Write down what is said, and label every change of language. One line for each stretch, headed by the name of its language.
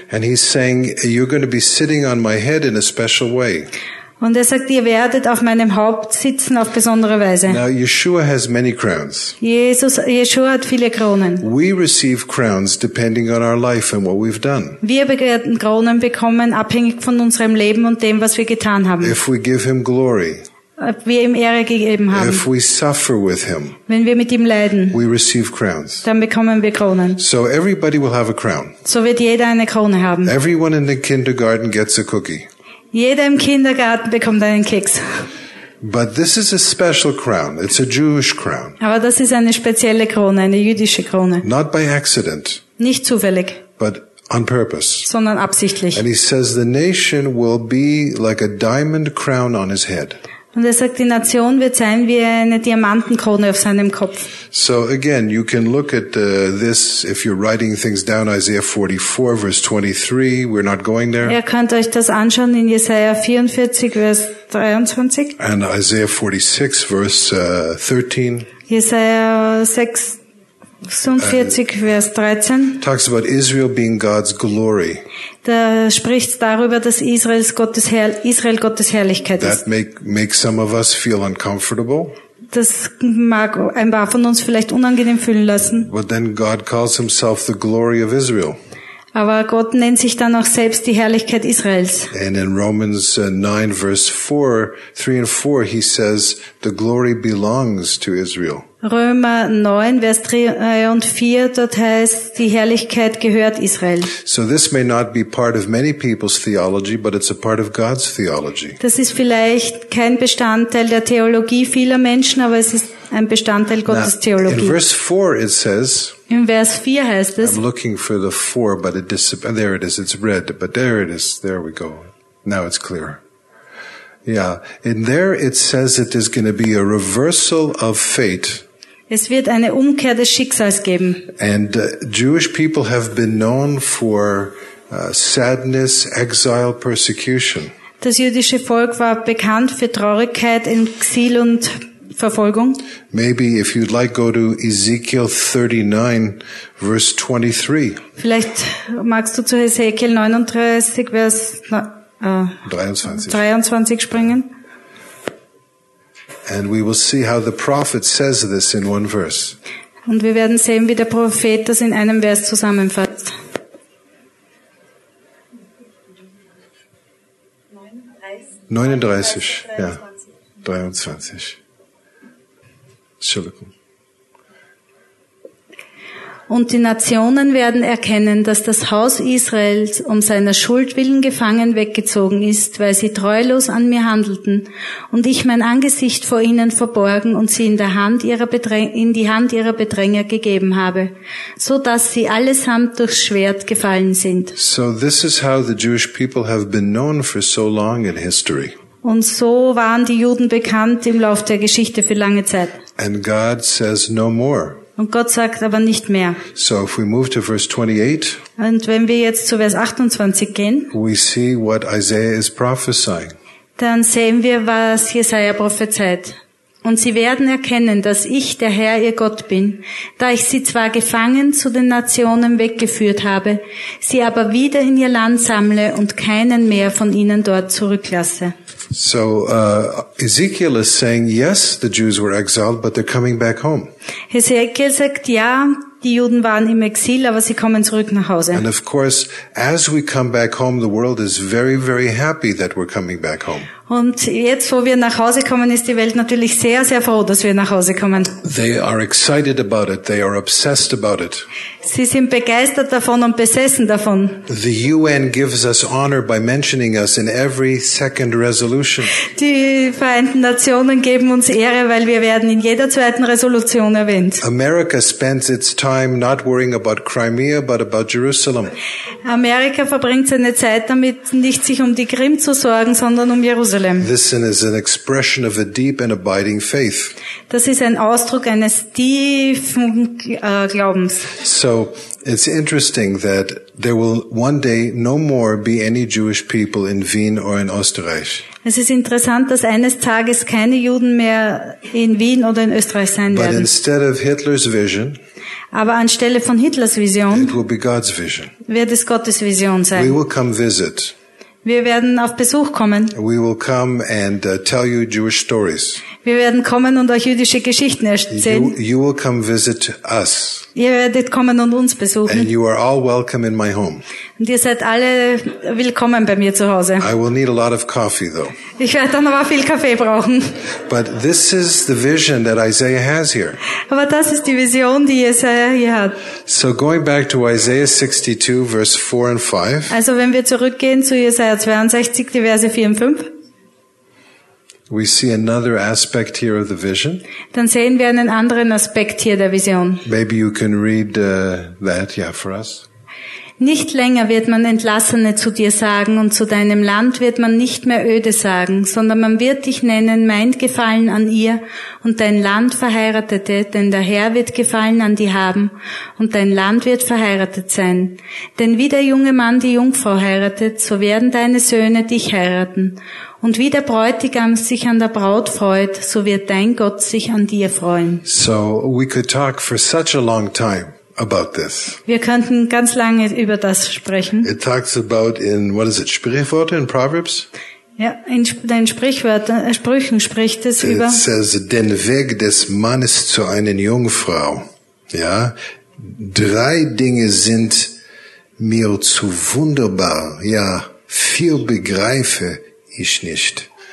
English: And he's saying you're going to be sitting on my head in a special way.
German: Und er sagt, ihr werdet auf meinem Haupt sitzen auf besondere Weise.
English: Now, Yeshua has many crowns.
German: Yeshua hat viele Kronen.
English: We receive crowns depending on our life and what we've done.
German: Wir werden Kronen bekommen, abhängig von unserem Leben und dem, was wir getan haben.
English: If we give him glory.
German: Ob wir ihm Ehre gegeben haben.
English: If we suffer with him.
German: Wenn wir mit ihm leiden.
English: We receive crowns.
German: Dann bekommen wir Kronen.
English: So everybody will have a crown.
German: So wird jeder eine Krone haben.
English: Everyone in the kindergarten gets a cookie.
German: Jeder im Kindergarten bekommt einen Keks.
English: But this is a special crown. It's a Jewish crown.
German: Aber das ist eine spezielle Krone, eine jüdische Krone.
English: Not by accident.
German: Nicht zufällig.
English: But on purpose.
German: Sondern absichtlich.
English: And he says the nation will be like a diamond crown on his head.
German: Und er sagt, die Nation wird sein wie eine Diamantenkrone auf seinem Kopf.
English: So again, you can look at this if you're writing things down, Isaiah 44, verse 23. We're not going there.
German: Ihr könnt euch das anschauen in Jesaja 44, Vers 23.
English: And Isaiah 46, verse 13.
German: Jesaja 46, Vers 13.
English: Talks about Israel being God's glory.
German: Da spricht darüber, dass Israel Gottes Herrlichkeit ist.
English: That makes some of us feel uncomfortable.
German: Das mag ein paar von uns vielleicht unangenehm fühlen lassen.
English: But then God calls himself the glory of Israel.
German: Aber Gott nennt sich dann auch selbst die Herrlichkeit Israels.
English: And in Romans 9, verse 4, 3 and 4, he says, the glory belongs to Israel.
German: Römer 9, Vers 3 und 4, dort heißt, die Herrlichkeit gehört Israel.
English: So this may not be part of many people's theology, but it's a part of God's theology.
German: Das ist vielleicht kein Bestandteil der Theologie vieler Menschen, aber es ist ein Bestandteil Gottes Theologie.
English: In verse 4 it says,
German: in Vers 4 heißt es,
English: I'm looking for the 4, but it disappears. There it is, it's red, but there it is, there we go. Now it's clear. Yeah, in there it says it is going to be a reversal of fate.
German: Es wird eine Umkehr des Schicksals geben.
English: And Jewish people have been known for sadness, exile, persecution.
German: Das jüdische Volk war bekannt für Traurigkeit, Exil und Verfolgung.
English: Maybe if you'd like, go to Ezekiel 39, verse 23.
German: Vielleicht magst du zu Ezekiel 39, Vers 23 springen.
English: And we will see how the prophet says this in one verse.
German: Und wir werden sehen, wie der Prophet das in einem Vers zusammenfasst.
English: 39.
German: 39, ja, 23. Entschuldigung. Und die Nationen werden erkennen, dass das Haus Israels um seiner Schuld willen gefangen weggezogen ist, weil sie treulos an mir handelten und ich mein Angesicht vor ihnen verborgen und sie in die Hand ihrer Bedränger gegeben habe, so dass sie allesamt durchs Schwert gefallen sind.
English: So this is how the Jewish people have been known for so long in history.
German: Und so waren die Juden bekannt im Lauf der Geschichte für lange Zeit.
English: And God says no more.
German: Und Gott sagt aber nicht mehr.
English: So if we move to verse 28,
German: und wenn wir jetzt zu Vers 28 gehen,
English: we see what Isaiah is prophesying.
German: Dann sehen wir, was Jesaja prophezeit. Und sie werden erkennen, dass ich der Herr, ihr Gott bin, da ich sie zwar gefangen zu den Nationen weggeführt habe, sie aber wieder in ihr Land sammle und keinen mehr von ihnen dort zurücklasse.
English: So Ezekiel is saying, yes, the Jews were exiled, but they're coming back home.
German: Ezekiel sagt, ja, die Juden waren im Exil, aber sie kommen zurück nach Hause.
English: And of course, as we come back home, the world is very, very happy that we're coming back home.
German: Und jetzt, wo wir nach Hause kommen, ist die Welt natürlich sehr, sehr froh, dass wir nach Hause kommen.
English: They are excited about it. They are obsessed about it.
German: Sie sind begeistert davon und besessen davon.
English: The UN gives us honor by mentioning us in every second resolution.
German: Die Vereinten Nationen geben uns Ehre, weil wir werden in jeder zweiten Resolution erwähnt.
English: America spends its time not worrying about Crimea, but about Jerusalem.
German: Amerika verbringt seine Zeit damit, nicht sich um die Krim zu sorgen, sondern um Jerusalem.
English: This is an expression of a deep and abiding faith.
German: Das ist ein Ausdruck eines tiefen Glaubens.
English: So it's interesting that there will one day no more be any Jewish people in Wien or in Österreich.
German: Es ist interessant, dass eines Tages keine Juden mehr in Wien oder in Österreich sein werden.
English: But instead of Hitler's vision,
German: aber anstelle von Hitlers Vision,
English: it will be God's vision.
German: Wird es Gottes Vision sein.
English: We will come visit.
German: Wir werden auf Besuch kommen.
English: We will come and tell you Jewish stories.
German: Wir werden kommen und euch jüdische Geschichten erzählen.
English: You will come visit us.
German: Ihr werdet kommen und uns besuchen.
English: And you are all welcome in my home.
German: Und ihr seid alle willkommen bei mir zu Hause.
English: I will need a lot of coffee, though.
German: Ich werde dann aber viel Kaffee brauchen.
English: But this is the vision that Isaiah has here.
German: Aber das ist die Vision, die Jesaja hier hat.
English: So going back to Isaiah 62, verse 4 and 5.
German: Also wenn wir zurückgehen zu Jesaja 62, die Verse 4 und 5.
English: We see another aspect here of the vision.
German: Dann sehen wir einen anderen Aspekt hier der Vision.
English: Maybe you can read that, yeah, for us.
German: Nicht länger wird man Entlassene zu dir sagen und zu deinem Land wird man nicht mehr Öde sagen, sondern man wird dich nennen, mein Gefallen an ihr und dein Land Verheiratete, denn der Herr wird Gefallen an dir haben und dein Land wird verheiratet sein. Denn wie der junge Mann die Jungfrau heiratet, so werden deine Söhne dich heiraten. Und wie der Bräutigam sich an der Braut freut, so wird dein Gott sich an dir freuen.
English: So we could talk for such a long time. About this.
German: Wir könnten ganz lange über das sprechen.
English: It talks about in, what is it, Sprichworte, in Proverbs?
German: Ja, in den Sprüchen spricht es über.
English: It says,
German: den Weg des Mannes zu einer Jungfrau. Ja, drei Dinge sind mir zu wunderbar. Ja, viel begreife ich nicht.